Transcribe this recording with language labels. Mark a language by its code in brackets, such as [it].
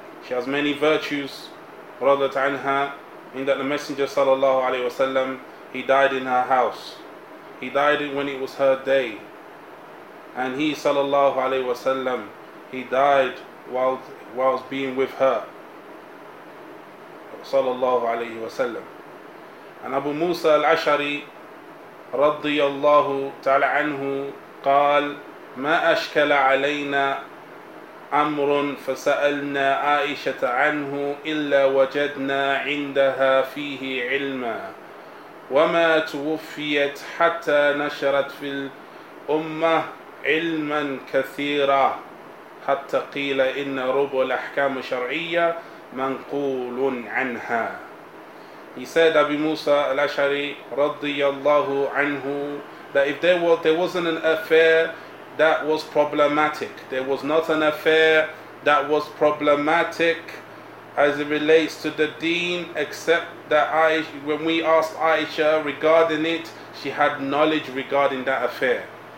[en] She has many virtues, radiyallahu ta'ala anha, in that the Messenger sallallahu alayhi wa sallam, he died in her house. He died when it was her day. And he sallallahu alayhi wa sallam, he died whilst being with her. Sallallahu alayhi wa sallam. And Abu Musa al-Ash'ari radiyallahu ta'ala anhu qal, [ar] ما أشكل علينا أمر فسألنا عائشة عنه إلا وجدنا عندها فيه علما وما توفيت حتى نشرت في الأمة علما كثيرا حتى قيل إن ربع الأحكام الشرعية منقول عنها. [en] He said Abu Musa al-Ash'ari [ar] رضي الله عنه [en] that if there wasn't an affair that was problematic, there was not an affair that was problematic as it relates to the deen, except that when we asked Aisha regarding it, she had knowledge regarding that affair.